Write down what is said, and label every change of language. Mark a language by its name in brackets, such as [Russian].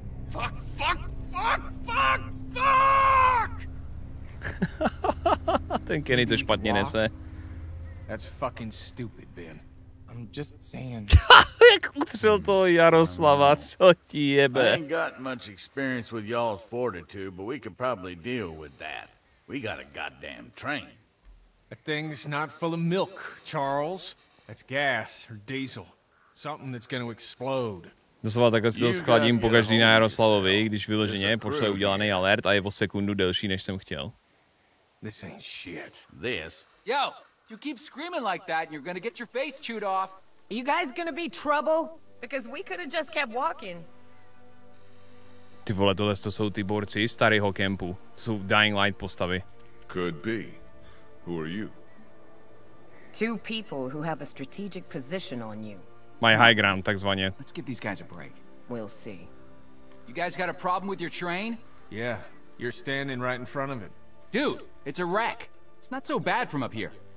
[English] Fuck, fuck, fuck, fuck, fuck! [Czech] Ten Kenny to špatně nese. [English] That's fucking stupid, Ben. I'm just saying. [Czech] Jak utřel toho Jaroslava, co ti jebe. [English] I ain't got much experience with y'all's fortitude, but we could probably deal with that. We got a goddamn train. That thing's not full of milk, Charles. That's gas or diesel. Something that's gonna explode. [Czech] Doslova takhle si to skladím po každý na Jaroslavovi, když vyloženě pošle udělaný alert a je o sekundu delší, než jsem chtěl. [English] This ain't shit. This? Yo, you keep screaming like that and you're gonna get your face chewed off. Are you guys gonna be trouble? Because we could have just kept walking. [Czech] Ty vole, tohle to jsou ty borci starého kempu. To jsou Dying Light postavy. [English] Could be. Who are you? Two people who have a strategic position on you. [Czech] My [English] high ground, [Czech] takzvaně. [English] Let's give these guys a break. We'll see. You guys got a problem with your train? Yeah, you're standing right in front of it. Dude, it's a wreck. It's not so bad from up here.